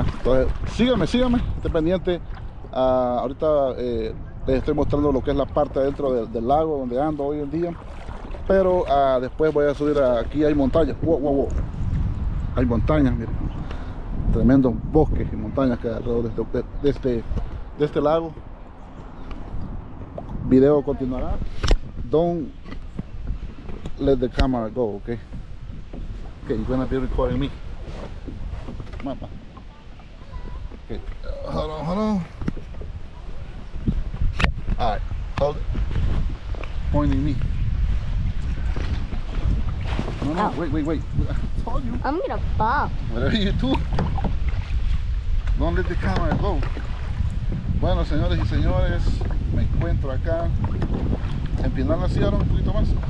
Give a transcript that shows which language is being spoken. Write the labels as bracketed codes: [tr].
[es] Entonces, sígueme, esté pendiente. Ahorita les estoy mostrando lo que es la parte adentro del lago donde ando hoy en día, pero después voy a subir aquí, hay montañas, wow. Hay montañas, miren, tremendos bosques y montañas que hay alrededor de este lago. Video continuará. [en] Don't let the camera go, ok? Ok, you're gonna be recording me. Mapa. Ok, hold on. Alright, hold it. Pointing me. No, oh. Wait. I'm gonna pop. Whatever you do, don't let the camera go. [es] Bueno, señores y señores, me encuentro acá. Empinar la silla un poquito más.